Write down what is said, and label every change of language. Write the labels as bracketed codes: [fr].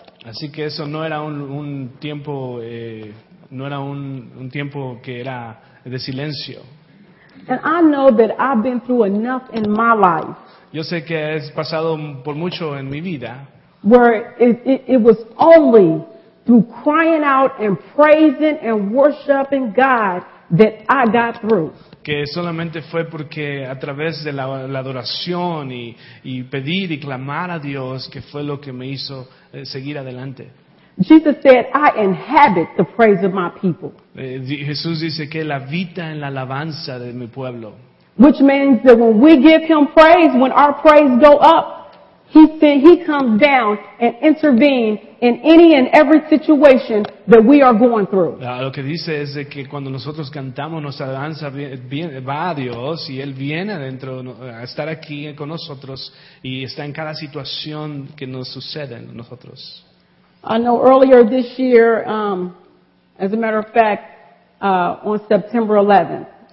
[es] Así que eso no era un tiempo que era de silencio. [en] And I know that I've been through enough in my life. [es] Yo sé que he pasado por mucho en mi vida. [en] Where it was only through crying out and praising and worshiping God that I got through. [es] Que solamente fue porque a través de la adoración y pedir y clamar a Dios que fue lo que me hizo seguir adelante. [en] Jesus said, I inhabit the praise of my people. [es] Jesús dice que él habita en la alabanza de mi pueblo. [en] Which means that when we give him praise, when our praise go up, he comes down and intervenes in any and every situation that we are going through. [es] Lo que dice es de que cuando nosotros cantamos nuestra danza, va a Dios y Él viene adentro a estar aquí con nosotros y está en cada situación que nos sucede en nosotros. [en] I know earlier this year, as a matter of fact, on September 11th.